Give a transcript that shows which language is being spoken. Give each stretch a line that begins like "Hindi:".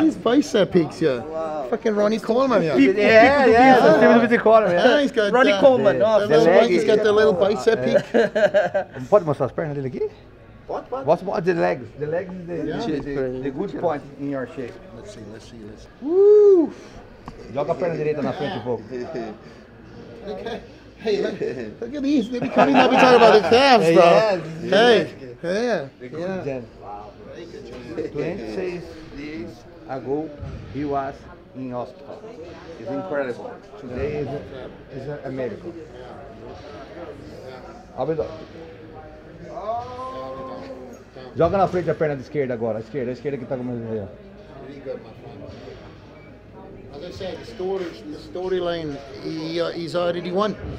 English: These bicep peaks, yeah. Wow. Fucking Ronnie that's Coleman, yeah. He's got Ronnie Coleman. He's got the little bicep peak. What must I spare a little here? What? The legs. The legs is the good point in your shape. Let's see. Woo!
Portuguese: Joga a perna direita na frente um pouco.
English: Okay. Hey, look at these. They're coming up and talking about the calves, bro. Yeah, hey. Yeah. Hey. Yeah. Wow. 26 days ago, he was in hospital. It's incredible. Today is a miracle.
Portuguese: Abre o joga na frente a perna de esquerda agora. A esquerda que tá começando aí.
English: As I said, the storyline, he's already won.